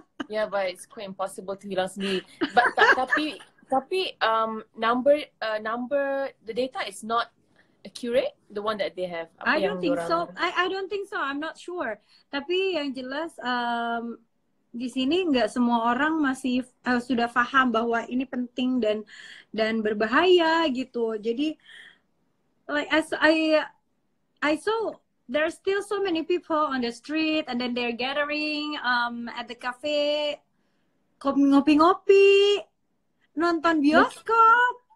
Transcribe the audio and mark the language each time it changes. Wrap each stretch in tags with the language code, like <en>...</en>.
<en>Ya, yeah, but it's quite impossible to</en> <id>hilang sendiri.</id> <en>But</en> <id>tapi</id> <en>number the data is not accurate, the one that they have.</en> <id>Apa</id> <en>I don't think so. I don't think so. I'm not sure.</en> <id>Tapi yang jelas di sini nggak semua orang masih sudah paham bahwa ini penting dan berbahaya gitu. Jadi</id> <en>like as I saw there are still so many people on the street and then they're gathering at the cafe,</en> <id>ngopi-ngopi, nonton bioskop.</id>